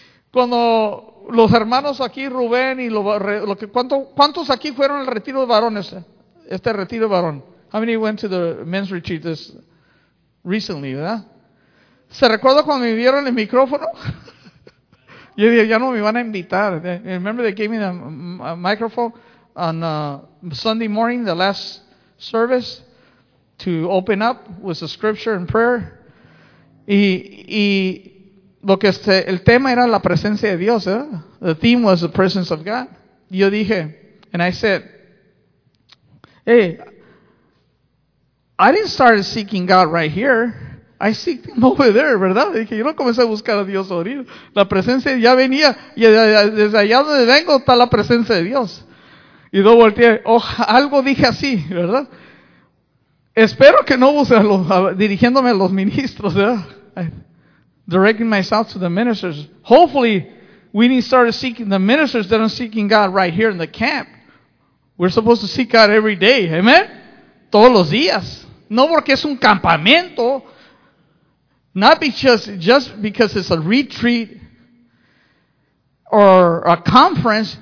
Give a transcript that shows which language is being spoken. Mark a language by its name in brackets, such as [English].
[Spanish] Cuando los hermanos aquí, Rubén y ¿cuántos aquí fueron al retiro de varones? Este retiro de varón. [English] How many went to the men's retreat this recently, ¿verdad? [Spanish] ¿Se recuerda cuando me dieron el micrófono? Yo dije, ya no me van a invitar. [English] Remember they gave me the microphone on Sunday morning, the last service, to open up with the scripture and prayer. [Spanish] Y lo que el tema era la presencia de Dios, ¿eh? [English] The theme was the presence of God. [Spanish] Yo dije, [English] and I said, hey, I didn't start seeking God right here. I seek him over there, [Spanish] ¿verdad? Dije, yo no comencé a buscar a Dios ahorita. La presencia ya venía, y desde allá donde vengo está la presencia de Dios. Y luego volteé, algo dije así, ¿verdad? Espero que no use dirigiéndome a los ministros, ¿verdad? [English] Directing myself to the ministers. Hopefully, we didn't start seeking the ministers that are seeking God right here in the camp. We're supposed to seek God every day, ¿amen? [Spanish] Todos los días. No porque es un campamento. [English] Not because, just because it's a retreat or a conference.